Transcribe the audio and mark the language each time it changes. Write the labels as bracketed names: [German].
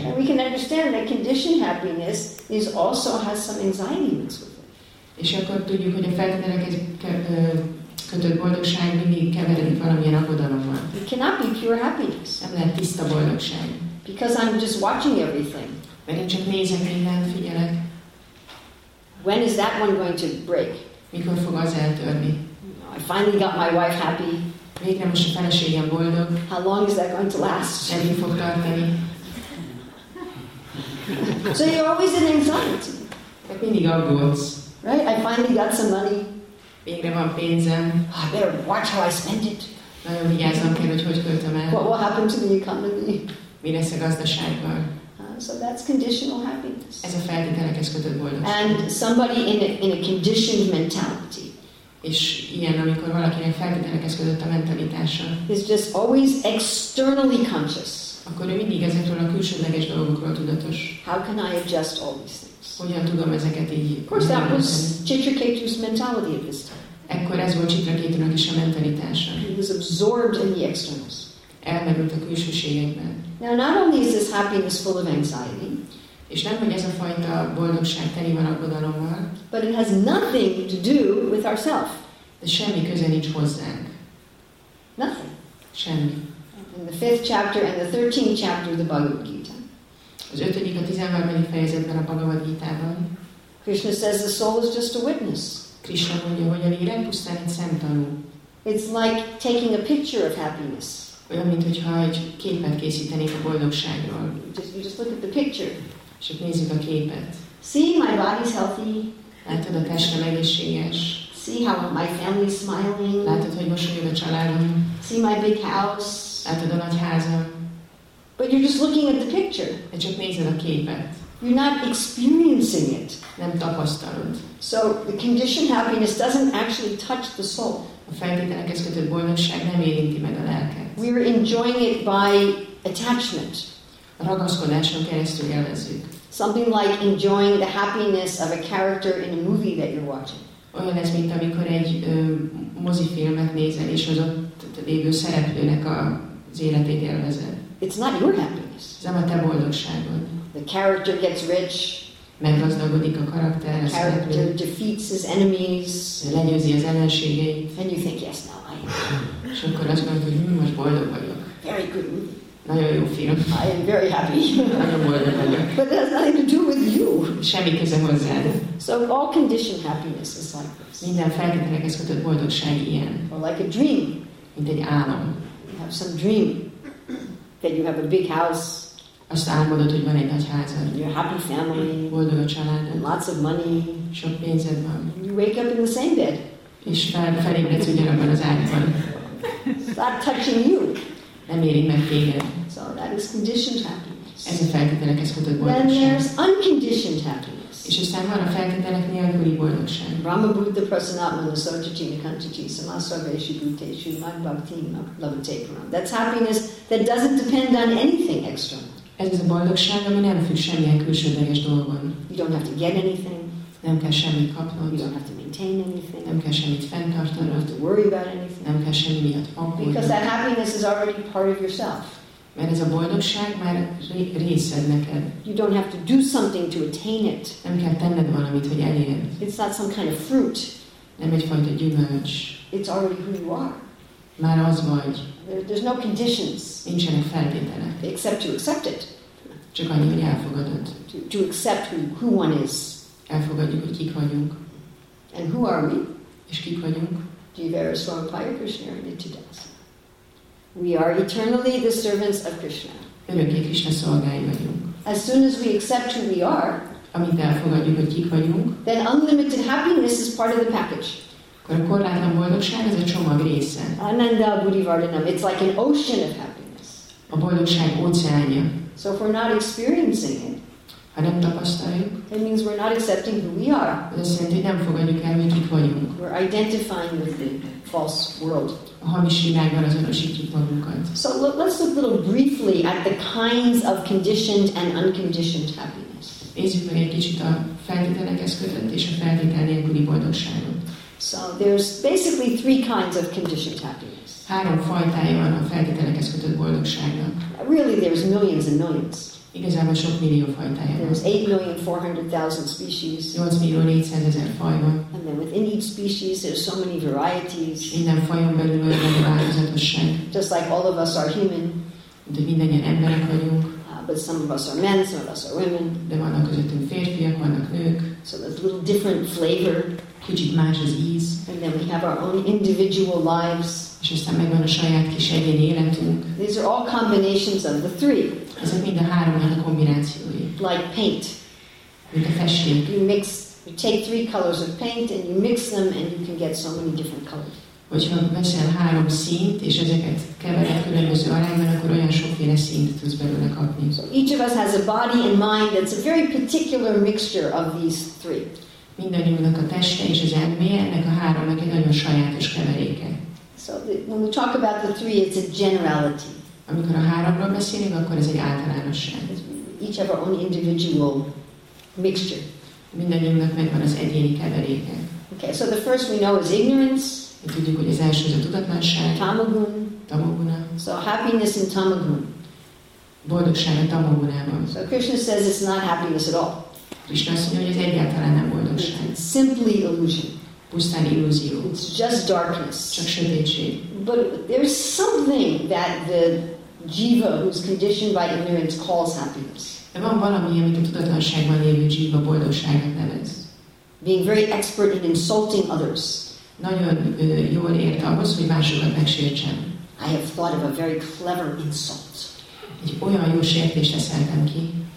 [English] And we can understand that conditioned happiness is also has some anxiety mixed with it. [Hungarian] És akkor tudjuk, hogy a feltételekhez kötött boldogság mindig keveredik valamilyen aggodalommal. [English] It cannot be pure happiness. [Hungarian] Nem lehet tiszta boldogság. [English] Because I'm just watching everything. [Hungarian] Mert én csak nézem mindent, figyelek. [English] When is that one going to break? [Hungarian] Mikor fog az eltörni? [English] I finally got my wife happy. [Hungarian] Végre most a feleségem boldog. [English] How long is that going to last? [Hungarian] Eddig fog tartani. [English] So you're always in anxiety. [Hungarian] Hát mindig aggódsz. [English] Right? I finally got some money. [Hungarian] Végre van pénzem. [English] I better watch how I spend it. [Hungarian] Nagyon vigyázzam kell, hogy hogy költöm el. [English] What will happen to the economy? [Hungarian] Mi lesz a gazdaságban? [English] So that's conditional happiness. [Hungarian] Ez a feltételekhez kötött boldogság. [English] And somebody in a conditioned mentality. [Hungarian] És ilyen, amikor valakinek feltételekhez kötött a mentalitása. [English] Is just always externally conscious. [Hungarian] Akkor ő mindig ezekről a külsődleges dolgokról tudatos. [English] How can I adjust all these things? [Hungarian] Hogyan tudom ezeket így? [English] Of course, that was Chitraketu's mentality at this time. [Hungarian] Ekkor ez volt Chitraketu-nak is a mentalitása. [English] He was absorbed in the externals. [Hungarian] Elmerült a külsőségekben. [English] Now not only is this happiness full of anxiety, [Hungarian] és nem hogy ez a fajta boldogság teli van aggodalommal, [English] but it has nothing to do with ourself. [Hungarian] De semmi köze nincs hozzánk. [English] Nothing. [Hungarian] Semmi. [English] In the 5th chapter and the 13th chapter of the Bhagavad Gita. [Hungarian] Az 5. a 13. fejezetben a Bhagavad Gita-ban. [English] Krishna says the soul is just a witness. [Hungarian] Krishna mondja, hogy a lélek pusztán egy szemtanú. [English] It's like taking a picture of happiness. [Hungarian] Olyan, mint hogyha egy képet készítenék a boldogságról. [English] Just look at the picture. [Hungarian] És akkor nézzük a képet. [English] See, my body's healthy. [Hungarian] Látod, a testem egészséges. [English] See how my family's smiling. [Hungarian] Látod, hogy mosolyog a családom. [English] See my big house. [Hungarian] Látod, a nagy házam. [English] But you're just looking at the picture. [Hungarian] És csak nézed a képet. [English] You're not experiencing it. [Hungarian] Nem tapasztalod. [English] So the conditioned happiness doesn't actually touch the soul. [Hungarian] A feltételekhez kötött boldogság nem érinti meg a lelket. [English] We're enjoying it by attachment. [Hungarian] A ragaszkodáson keresztül élvezzük. [English] Something like enjoying the happiness of a character in a movie that you're watching. [Hungarian] Olyan ez, mint amikor egy mozifilmet nézel, és az ott lévő szereplőnek az életét élvezel. [English] It's not your happiness. [Hungarian] Ez nem a te boldogságod. [English] The character gets rich. [Hungarian] Meggazdagodik a karakter. [English] The character defeats his enemies. [Hungarian] Lenyőzi az ellenségeit. [English] And you think, yes, now I am. [Hungarian] És akkor azt mondod, hogy most boldog vagyok. [English] Very good. [Hungarian] Nagyon jó film. [English] I am very happy. [Hungarian] Nagyon boldog vagyok. [English] But that has nothing to do with you. [Hungarian] Semmi köze hozzád. [English] So all conditioned happiness is like this. [Hungarian] Minden feltételekhez kötött boldogság ilyen. [English] Or like a dream. [Hungarian] Mint egy álom. [English] You have some dream that you have a big house. [Hungarian] Azt álmodod, hogy van egy nagy házad. [English] You're a happy family. [Hungarian] Boldog a család. [English] And lots of money. [Hungarian] Sok pénzed van. [English] You wake up in the same bed. [Hungarian] És felébredsz ugyanabban az ágyban. [English] Stop touching you. [Hungarian] Nem érik meg téged. [English] So that is conditioned happiness. [Hungarian] Ez a feltételekhez kötött boldogság. [English] Then there's unconditioned happiness. [Hungarian] És aztán van a feltételek nélküli boldogság. [Sanskrit] Brahma Buddha Prasanatma Lasoja Jina Kanchichi Samasarveshi Bhutesu Mag Bhakti Lavate Param. [English] That's happiness that doesn't depend on anything external. [Hungarian] Ez az a boldogság, ami nem függ semmilyen külsődleges dolgon. [English] You don't have to get anything. [Hungarian] Nem kell semmit kapnod. [English] You don't have to maintain anything. [Hungarian] Nem kell semmit fenntartanod. [English] You don't have to worry about anything. [Hungarian] Nem kell semmi miatt aggódnod. [English] Because that happiness is already part of yourself. [Hungarian] Mert ez a boldogság már részed neked. [English] You don't have to do something to attain it. [Hungarian] Nem kell tenned valamit, hogy elérd. [English] It's not some kind of fruit. [Hungarian] Nem egyfajta gyümölcs. [English] It's already who you are. [Hungarian] Már az vagy. [English] There's no conditions. [Hungarian] Nincsenek feltételek. [English] Except to accept it. [Hungarian] Csak annyi, hogy elfogadod. [English] To accept who one is. [Hungarian] Elfogadjuk, hogy kik vagyunk. [English] And who are we? [Hungarian] És kik vagyunk? [Sanskrit] Jivara Swarupaya Krishna Nityadasa. [English] We are eternally the servants of Krishna. [Hungarian] Örökké Krishna szolgái vagyunk. [English] As soon as we accept who we are, [Hungarian] amint elfogadjuk, hogy kik vagyunk, [English] then unlimited happiness is part of the package. [Hungarian] Akkor a korlátlan boldogság ez a csomag része. [Sanskrit] Ananda Budivardhanam, [English] it's like an ocean of happiness. [Hungarian] A boldogság óceánja. [English] So if we're not experiencing it, [Hungarian] ha Ha nem tapasztaljuk, [English] that means we're not accepting who we are. [Hungarian] Az azt jelenti, hogy nem fogadjuk el, hogy kik vagyunk. [English] We're identifying with the false world. [Hungarian] A hamis világban azonosítjuk magunkat. [English] So let's look a little briefly at the kinds of conditioned and unconditioned happiness. [Hungarian] Nézzük meg egy kicsit a feltételekhez kötött és a feltétel nélküli boldogságot. [English] So there's basically three kinds of conditioned happiness. [Hungarian] Három fajtája van a feltételekhez kötött boldogságnak. [English] Really, there's millions and millions. [Hungarian] Igazából sok millió fajtája van. [English] There's 8,400,000 species. [Hungarian] 8,400,000 faj van. [English] And then within each species, there's so many varieties. [Hungarian] Minden fajon belül olyan változatosság. [English] Just like all of us are human. [Hungarian] De mindannyian emberek vagyunk. [English] But some of us are men, some of us are women. [Hungarian] De vannak közöttünk férfiak, vannak nők. [English] So there's a little different flavor. [Hungarian] Kicsit más az íz. [English] And then we have our own individual lives. [Hungarian] És aztán megvan a saját kis egyéni életünk. [English] These are all combinations of the three. [Hungarian] Ezek mind a háromnak a kombinációi. [English] Like paint. [Hungarian] Mint a festék. [English] You mix, you take three colors of paint and you mix them and you can get so many different colors. [Hungarian] Hogyha veszel három színt és ezeket kevered különböző arányban, akkor olyan sokféle színt tudsz belőle kapni. [English] So each of us has a body and mind that's a very particular mixture of these three. [Hungarian] Mindannyiunknak a teste és az elméje ennek a háromnak egy nagyon sajátos keveréke. [English] So when we talk about the three, it's a generality. [Hungarian] Amikor a háromról beszélünk, akkor ez egy általánosság. [English] Each have our own individual mixture. [Hungarian] Mindannyiunknak megvan az egyéni keveréke. [English] Okay, so the first we know is ignorance. [Hungarian] Mi tudjuk, hogy az első az a tudatlanság. [English] Tamaguna. So happiness in tamaguna. [Hungarian] Boldogság a tamagunában. [English] So Krishna says it's not happiness at all. [Hungarian] Krishna azt mondja, hogy ez egyáltalán nem boldogság. [English] It's simply illusion. [Hungarian] Pusztán illúzió. [English] It's just darkness. [Hungarian] Csak sötétség. [English] But there's something that the jiva, who's conditioned by ignorance, calls happiness. [Hungarian] De van valami, amit a tudatlanságban lévő jiva boldogságnak nevez. [English] Being very expert in insulting others. [Hungarian] Nagyon jól ért ahhoz, hogy másokat megsértsem. [English] I have thought of a very clever insult. [Hungarian] Egy olyan jó sértést eszeltem ki.